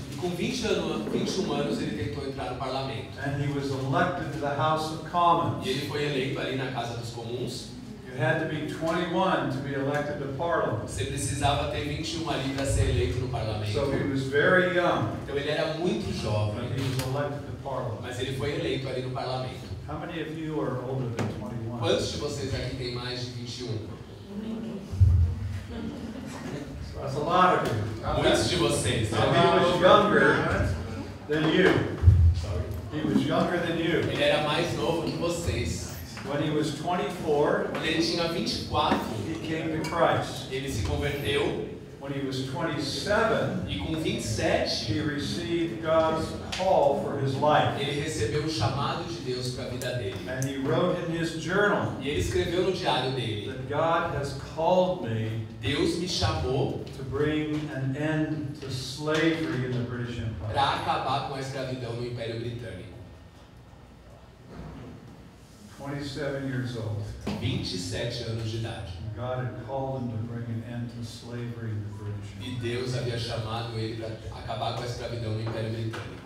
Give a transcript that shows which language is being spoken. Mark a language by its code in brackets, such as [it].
[pt] E com 21 anos ele tentou entrar no parlamento. [en] And he was elected to the House of Commons. [pt] E ele foi eleito ali na Casa dos Comuns. [en] You had to be 21 to be elected to parliament. [pt] Você precisava ter 21 ali para ser eleito no parlamento. [en] So he was very young. [pt] Então ele era muito jovem. [en] But he was elected to parliament. [pt] Mas ele foi eleito ali no parlamento. [en] How many of you are older than 21? [pt] Quantos de vocês aqui têm mais de 21? [en] So that's a lot of you. [pt] Quantos de vocês? [en] So he was younger than you. Sorry. He was younger than you. [pt] Ele era mais novo que vocês. [en] When he was 24, [pt] quando ele tinha 24, [en] he came to Christ. [pt] Ele se converteu. [en] When he was 27, [pt] e com 27, [en] he received God's call for his life. [pt] Ele recebeu o chamado de Deus para a vida dele. [en] And he wrote in his journal, [pt] e ele escreveu no diário dele, [en] that God has called me, [pt] Deus me chamou, [en] to bring an end to slavery in the British Empire. [pt] Para acabar com a escravidão no Império Britânico. [en] 27 years old. [pt] 27 anos de idade. [en] God had called him to bring an end to slavery in the British Empire. [pt] E Deus havia chamado ele para acabar com a escravidão no Império Britânico.